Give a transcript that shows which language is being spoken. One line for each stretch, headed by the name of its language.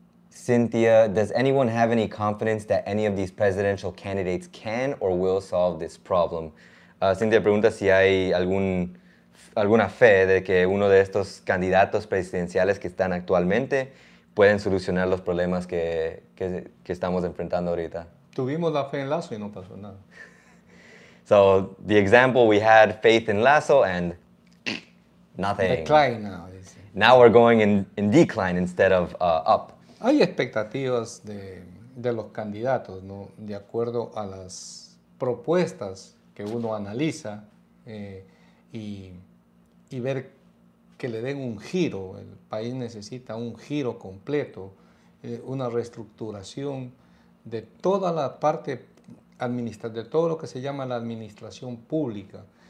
English: Cynthia, does anyone have any confidence that any of these presidential candidates can or will solve this problem?
Spanish: Cynthia pregunta si hay alguna fe de que uno de estos candidatos presidenciales que están actualmente pueden solucionar los problemas que estamos enfrentando ahorita. Tuvimos la fe en Lazo y no pasó nada.
English: So, the example, we had faith in Lasso and nothing. Decline now. Now we're going in decline instead of up.
Spanish: Hay expectativas de los candidatos, ¿no? De acuerdo a las propuestas que uno analiza y ver que le den un giro. El país necesita un giro completo, una reestructuración de toda la parte de todo lo que se llama la administración pública.